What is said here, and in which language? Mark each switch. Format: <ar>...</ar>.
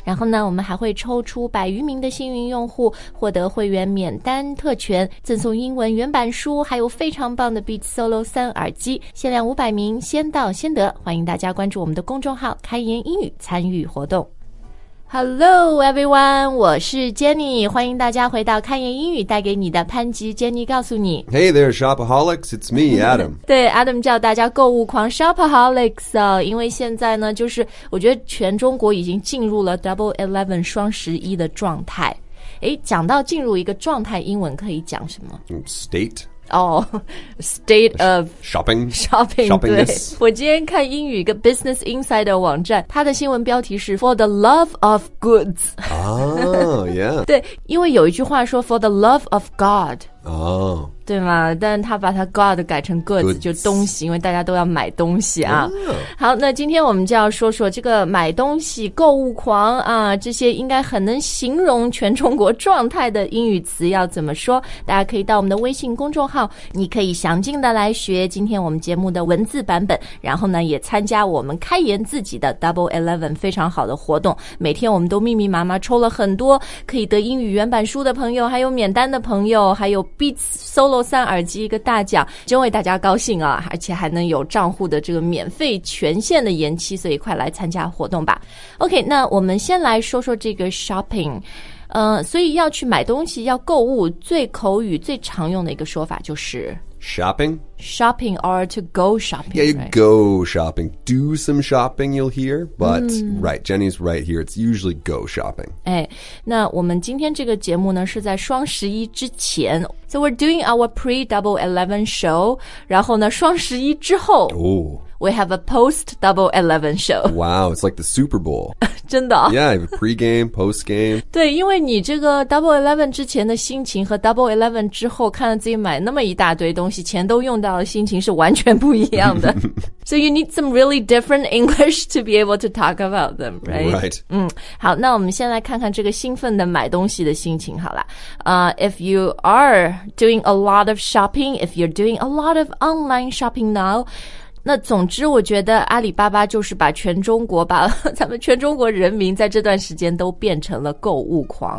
<zh>然后呢，我们还会抽出百余名的幸运用户，获得会员免单特权，赠送英文原版书，还有非常棒的 Beats Solo 3耳机，限量500名，先到先得，欢迎大家关注我们的公众号开园英语参与活动。</zh> <en>Hello everyone,</en> <zh>我是 Jenny, 欢迎大家回到开言英语带给你的潘吉 Jenny 告诉你。</zh> <en>Hey there shopaholics, it's me, Adam.</en> <zh>对 ,Adam 叫大家购物狂 shopaholics,、因为现在呢就是我觉得全中国已经进入了 Double Eleven 双十一的状态。诶，讲到进入一个状态，英文可以讲什么？</zh> <en>State. State of Shopping.</en> <zh>对，我今天看英语一个 Business Insider 网站，它的新闻标题是</zh> <en>For the love of goods. Oh, yeah.</en> <zh>对，因为有一句话说</zh> <en>For the love of God. Oh.</en> <zh>对吗？但他把它 God 改成 goods, 就东西，因为大家都要买东西啊。</zh> <en>Oh.</en> <zh>好，那今天我们就要说说这个买东西购物狂啊，这些应该很能形容全中国状态的英语词要怎么说。大家可以到我们的微信公众号，你可以详尽的来学今天我们节目的文字版本，然后呢也参加我们开言自己的 Double Eleven 非常好的活动，每天我们都密密麻麻抽了很多可以得英语原版书的朋友，还有免单的朋友，还有 Beats Solo 3耳机一个大奖，真为大家高兴啊，而且还能有账户的这个免费权限的延期，所以快来参加活动吧。 OK, 那我们先来说说这个 shopping。所以要去买东西要购物最口语最常用的一个说法就是</zh> <en>Shopping or to go shopping. Yeah, you go shopping. Do some shopping you'll hear. But、right, Jenny's right here. It's usually go shopping.</en> <zh>哎，那我们今天这个节目呢是在双十一之前。</zh> <en>So we're doing our pre-Double Eleven show.</en> <zh>然后呢双十一之后、</zh> <en>We have a post-Double Eleven show. Wow, it's like the Super Bowl.</en> <zh>真的、</zh> <en>哦、Yeah, I have a pre-game, post-game.</en> <zh>对，因为你这个 Double Eleven 之前的心情和 Double Eleven 之后看到自己买那么一大堆东西，钱都用到的心情是完全不一样的。</zh> <en>So you need some really different English to be able to talk about them, right? Right.</en> <zh>好，那我们先来看看这个兴奋的买东西的心情好了。</zh> <en>If you are doing a lot of shopping, if you're doing a lot of online shopping now,</en> <zh>那总之我觉得阿里巴巴就是把全中国把咱们全中国人民在这段时间都变成了购物狂。</zh>